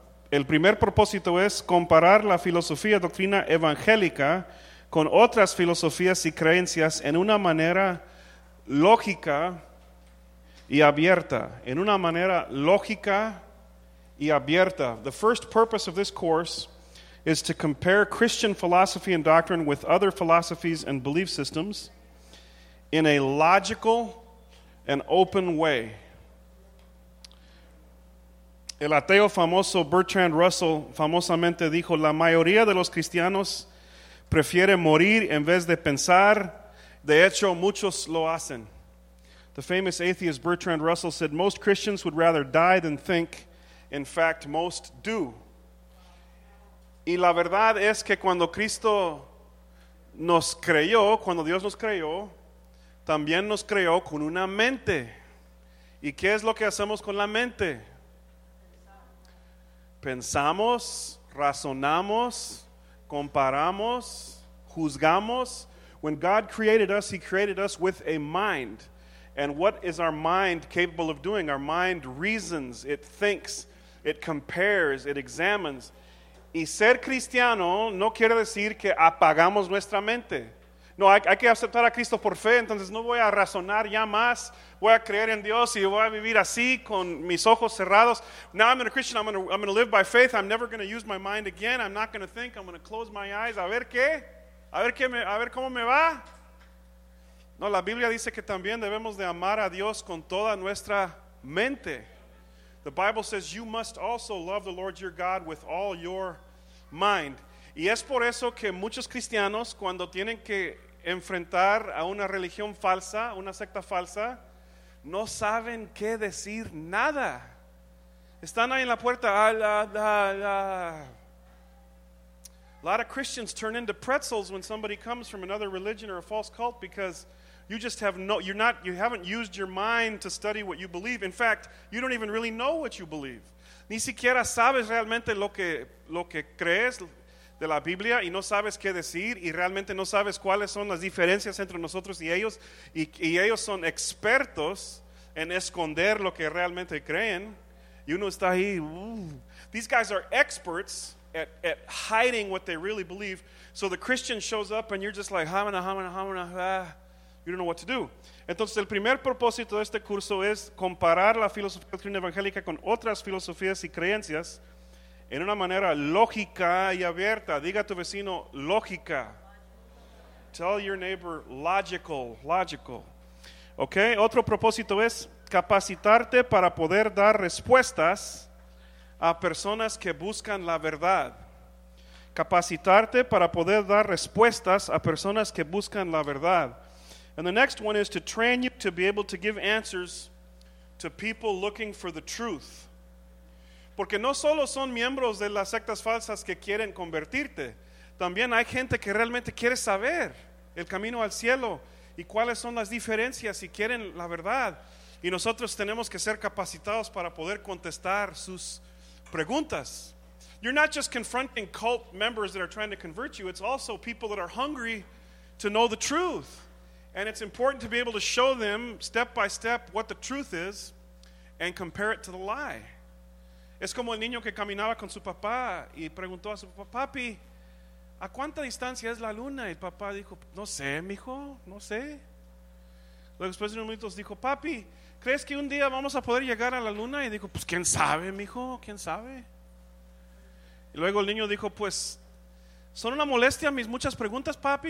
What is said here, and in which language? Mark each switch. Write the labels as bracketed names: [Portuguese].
[Spanish] El primer propósito es comparar la filosofía doctrina evangélica con otras filosofías y creencias en una manera lógica y abierta. En una manera lógica y abierta. [English] The first purpose of this course is to compare Christian philosophy and doctrine with other philosophies and belief systems in a logical and open way. [Spanish] El ateo famoso Bertrand Russell famosamente dijo, la mayoría de los cristianos prefiere morir en vez de pensar. De hecho, muchos lo hacen. [English] The famous atheist Bertrand Russell said, most Christians would rather die than think. In fact, most do. [Spanish] Y la verdad es que cuando Cristo nos creyó, cuando Dios nos creyó, también nos creyó con una mente. ¿Y qué es lo que hacemos con la mente? Pensamos, razonamos, comparamos, juzgamos. [English] When God created us, He created us with a mind. And what is our mind capable of doing? Our mind reasons, it thinks, it compares, it examines. [Spanish] Y ser cristiano no quiere decir que apagamos nuestra mente. No, hay que aceptar a Cristo por fe, entonces no voy a razonar ya más. Voy a creer en Dios y voy a vivir así con mis ojos cerrados. [English] Now I'm a Christian, I'm going to live by faith. I'm never going to use my mind again. I'm not going to think. I'm going to close my eyes. [Spanish] A ver cómo me va. No, la Biblia dice que también debemos de amar a Dios con toda nuestra mente. [English] The Bible says you must also love the Lord your God with all your mind. [Spanish] Y es por eso que muchos cristianos cuando tienen que enfrentar a una religión falsa, una secta falsa, no saben qué decir nada. Están ahí en la puerta. [English] A lot of Christians turn into pretzels when somebody comes from another religion or a false cult because you just have no, you're not, you haven't used your mind to study what you believe. In fact, you don't even really know what you believe. [Spanish] Ni siquiera sabes realmente lo que crees de la Biblia y no sabes qué decir y realmente no sabes cuáles son las diferencias entre nosotros y ellos y ellos son expertos en esconder lo que realmente creen. Y uno está ahí, [English] these guys are experts at hiding what they really believe. So the Christian shows up and you're just like, you don't know what to do. [Spanish] Entonces, el primer propósito de este curso es comparar la filosofía doctrina evangélica con otras filosofías y creencias en una manera lógica y abierta. Diga a tu vecino, lógica. [English] Tell your neighbor, logical. [Spanish] Okay, otro propósito es capacitarte para poder dar respuestas a personas que buscan la verdad. Capacitarte para poder dar respuestas a personas que buscan la verdad. [English] And the next one is to train you to be able to give answers to people looking for the truth. [Spanish] Porque no solo son miembros de las sectas falsas que quieren convertirte, también hay gente que realmente quiere saber el camino al cielo y cuáles son las diferencias y quieren la verdad. Y nosotros tenemos que ser capacitados para poder contestar sus preguntas. [English] You're not just confronting cult members that are trying to convert you, it's also people that are hungry to know the truth. And it's important to be able to show them step by step what the truth is and compare it to the lie. [Spanish] Es como el niño que caminaba con su papá y preguntó a su papá, papi, ¿a cuánta distancia es la luna? Y el papá dijo, no sé, mijo, no sé. Luego después de unos minutos dijo, papi, ¿crees que un día vamos a poder llegar a la luna? Y dijo, pues quién sabe, mijo, quién sabe. Y luego el niño dijo, pues, ¿son una molestia mis muchas preguntas, papi?